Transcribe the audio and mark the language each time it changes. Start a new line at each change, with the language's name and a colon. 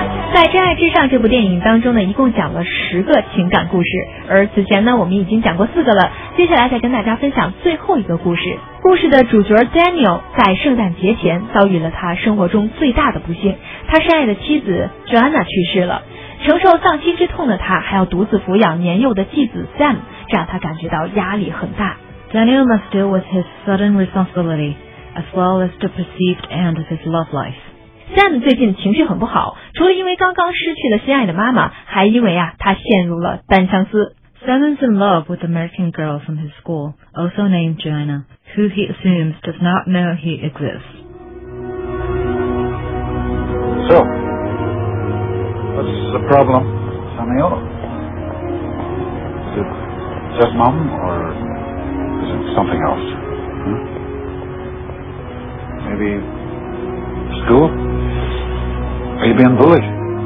Chinese: 在《真爱至上》这部电影当中呢，一共讲了十个情感故事，而此前呢，我们已经讲过四个了，接下来再跟大家分享最后一个故事。故事的主角 Daniel 在圣诞节前遭遇了他生活中最大的不幸，他深爱的妻子 Joanna 去世了，承受丧妻之痛的他还要独自抚养年幼的继子 Sam， 这让他感觉到压力很大。
English: Daniel must deal with his sudden responsibility, as well as the perceived end of his love life.
Chinese: Sam 最近情绪很不好，除了因为刚刚失去了心爱的妈妈，还因为他陷入了单相思。
English: Sam is in love with an American girl from his school, also named Joanna, who he assumes does not know he exists. So, what's the problem, Samuel? Is it just mom, or is it something else?、Maybe school? Are you being bullied?